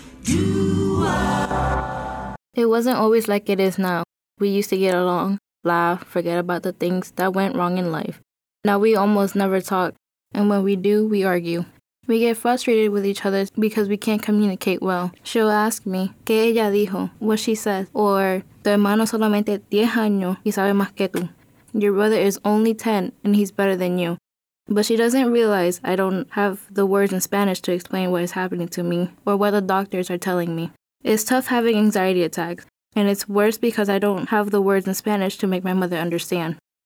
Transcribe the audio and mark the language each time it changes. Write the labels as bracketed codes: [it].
[en] Do-a. It wasn't always like it is now. We used to get along, laugh, forget about the things that went wrong in life. Now we almost never talk, and when we do, we argue. We get frustrated with each other because we can't communicate well. She'll ask me, [es] ¿qué ella dijo? [en] What she said. [es] Or, tu hermano solamente 10 años y sabe más que tú. [en] Your brother is only 10 and he's better than you. But she doesn't realize I don't have the words in Spanish to explain what is happening to me or what the doctors are telling me. It's tough having anxiety attacks, and it's worse because I don't have the words in Spanish to make my mother understand.